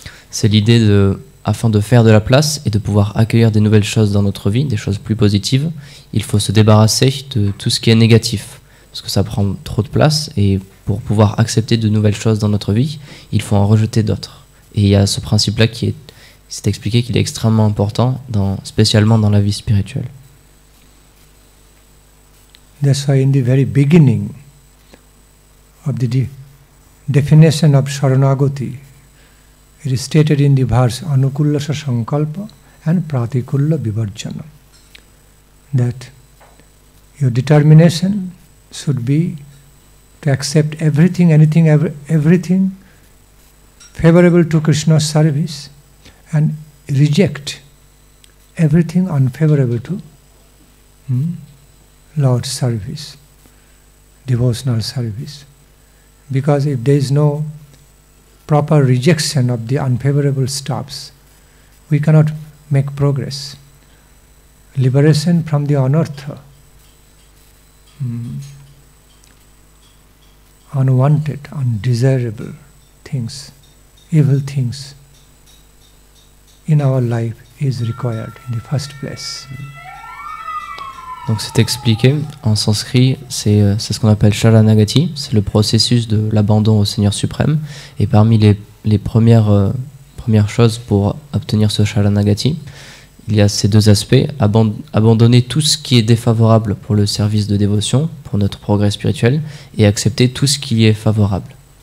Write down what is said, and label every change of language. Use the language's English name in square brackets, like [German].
[French] C'est l'idée afin de faire de la place et de pouvoir accueillir des nouvelles choses dans notre vie, des choses plus positives, il faut se débarrasser de tout ce qui est négatif, parce que ça prend trop de place, et pour pouvoir accepter de nouvelles choses dans notre vie, il faut en rejeter d'autres. Et il y a ce principe-là qui s'est expliqué qu'il est extrêmement important, spécialement dans la vie spirituelle. [English] That's why in the very beginning of the definition of Sharanagati, it is stated in the verse Anukullasa Sankalpa and Pratikulla Vivarjana, that your determination should be to accept everything, anything, everything favorable to Krishna's service and reject everything unfavorable to Lord's service, devotional service. Because if there is no proper rejection of the unfavorable stuffs, we cannot make progress. Liberation from the anartha, unwanted, undesirable things, evil things in our life is required in the first place. [French] Donc c'est expliqué en sanskrit, c'est ce qu'on appelle Sharanagati, c'est le processus de l'abandon au Seigneur suprême. Et parmi les premières choses pour obtenir ce Sharanagati, il y a ces deux aspects: abandonner tout ce qui est défavorable pour le service de dévotion, pour notre progrès spirituel, et accepter tout ce qui est favorable.